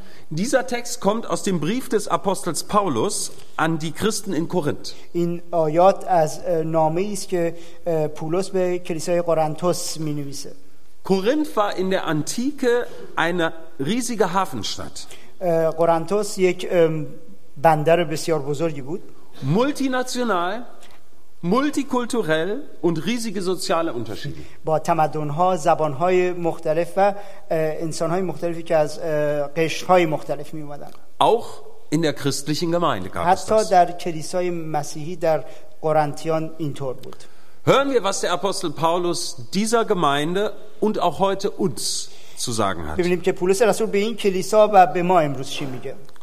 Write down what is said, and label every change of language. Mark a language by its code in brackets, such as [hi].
[de] Dieser Text kommt aus dem Brief des Apostels Paulus an die Christen in Korinth. [fa] این آیات از نامه‌ای است که پولس به کلیسای قرنتوس می‌نویسه. [de] Korinth war in der Antike eine riesige Hafenstadt. [fa] قرنتوس یک بندر بسیار بزرگی بود. [de] Multinational, multikulturell und riesige soziale Unterschiede. [fa] با تمدن‌ها، زبان‌های مختلف و انسان‌های مختلفی که از قشر‌های مختلف می‌اومدن. [de] Auch in der christlichen Gemeinde gab es das. [fa] حتی در کلیسای مسیحی در قرنتیان اینطور بود. [de] Hören wir, was der Apostel Paulus dieser Gemeinde und auch heute uns zu sagen hat. [fa] ببینیم که پولس رسول به این کلیسا و به ما امروز چی میگه.